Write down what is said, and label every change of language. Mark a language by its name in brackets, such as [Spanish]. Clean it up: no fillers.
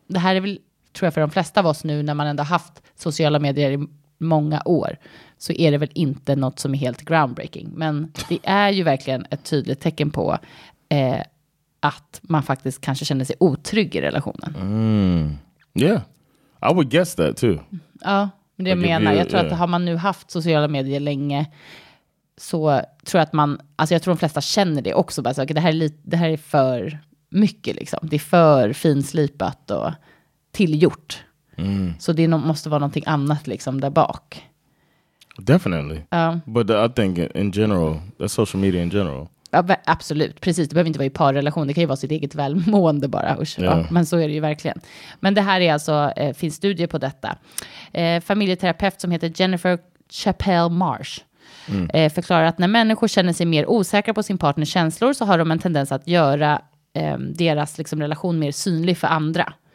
[Swedish] Det här är väl, tror jag, för de flesta av oss nu när man ändå har haft sociala medier i många år, så är det väl inte något som är helt groundbreaking. Men det är ju verkligen ett tydligt tecken på att man faktiskt kanske känner sig otrygg i relationen. [English] Yeah, I would guess that too. [Swedish] Ja, men det like jag menar. Jag tror att har man nu haft sociala medier länge, så tror jag att man, alltså jag tror de flesta känner det också. Bara så, okay, det här är för mycket liksom. Det är för finslipat och tillgjort. Så det måste vara någonting annat liksom där bak. [English] Definitely. But I think in general, social media in general. [Swedish] Absolut, precis. Det behöver inte vara i parrelation. Det kan ju vara sitt eget välmående bara. Men så är det ju verkligen. Men det här är alltså, finns studier på detta. Familjeterapeut som heter Jennifer Chappelle Marsh förklarar att när människor känner sig mer osäkra på sin partners känslor, så har de en tendens att göra deras liksom relation mer synlig för andra.